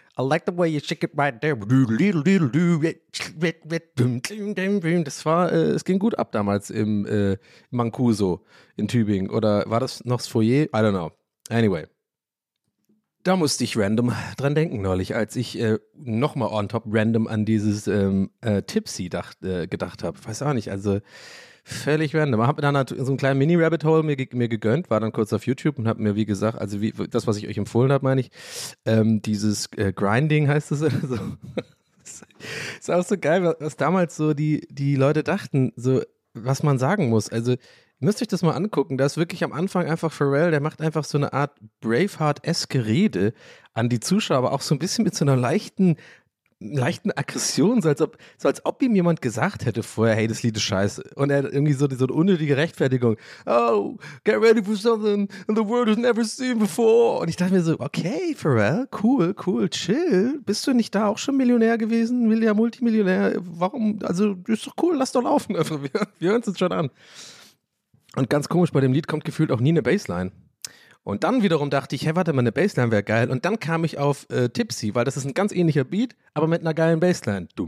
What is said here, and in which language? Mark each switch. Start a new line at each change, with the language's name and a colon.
English: I like the way you shake it right there.
German: Es ging gut ab damals im Mancuso in Tübingen. Oder war das noch das Foyer?
English: I don't know. Anyway.
German: Da musste ich random dran denken neulich, als ich nochmal on top random an dieses Tipsy gedacht habe. Weiß auch nicht, also völlig random. Ich habe dann halt so einen kleinen Mini-Rabbit-Hole mir gegönnt, war dann kurz auf YouTube und habe mir, wie gesagt, also wie das, was ich euch empfohlen habe, meine ich, dieses Grinding heißt es oder so. Ist auch so geil, was damals so die Leute dachten, so was man sagen muss, also... Müsst euch das mal angucken, da ist wirklich am Anfang einfach Pharrell, der macht einfach so eine Art Braveheart-eske Rede an die Zuschauer, aber auch so ein bisschen mit so einer leichten Aggression, so als ob ihm jemand gesagt hätte vorher, hey, das Lied ist scheiße. Und er hat irgendwie so eine unnötige Rechtfertigung.
English: Oh, get ready for something and the world has never seen before.
German: Und ich dachte mir so, okay, Pharrell, cool, chill. Bist du nicht da auch schon Millionär gewesen? Ja, Multimillionär? Warum? Also, ist doch cool, lass doch laufen. Wir hören es uns schon an. Und ganz komisch, bei dem Lied kommt gefühlt auch nie eine Bassline. Und dann wiederum dachte ich, hey, warte mal, eine Bassline wäre geil. Und dann kam ich auf Tipsy, weil das ist ein ganz ähnlicher Beat, aber mit einer geilen Bassline.